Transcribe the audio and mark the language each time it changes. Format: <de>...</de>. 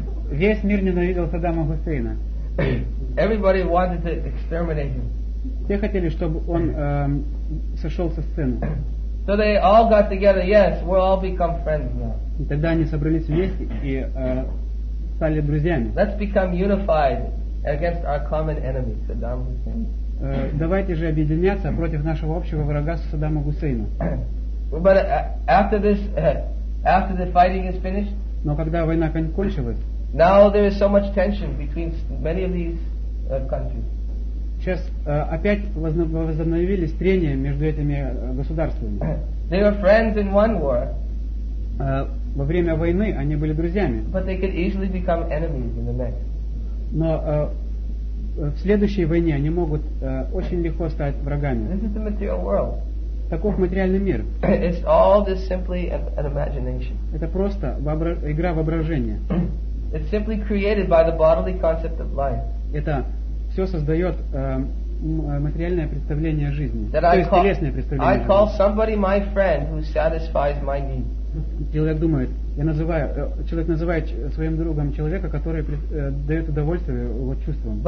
<ru>Весь мир ненавидел Саддама Хусейна.</ru> <en>Everybody wanted to exterminate him.</en> <ru>Все хотели, чтобы он сошел со сцены.</ru> <en>So they all got together. Yes, we'll all become friends now.</en> <ru>И тогда они собрались вместе и стали друзьями.</ru> <en>Let's become unified against our common enemy, Saddam Hussein.</en> <ru>Давайте же объединяться против нашего общего врага Саддама Хусейна.</ru> <en>But after this, after the fighting is finished.</en> <ru>Но когда война кончилась.</ru> <en>Now there is so much tension between many of these countries.</en> <ru>Сейчас опять возобновились трения между этими государствами.</ru> <en>They were friends in one war.</en> <ru>Во время войны они были друзьями.</ru> <en>But they could easily become enemies in the next.</en> <ru>Но в следующей войне они могут очень легко стать врагами.</ru> <en>This is the material world.</en> <ru>Таков материальный мир.</ru> <en>It's all just simply an imagination.</en> <ru>Это просто игра воображения.</ru> <en>It's simply created by the bodily concept of life.</en> <ru>Это все создает материальное представление жизни. Телесное представление.</ru> <en>I call somebody my friend who satisfies my needs.</en> <ru>Человек думает, человек называет своим другом человека, который дает удовольствие его чувствам.</ru>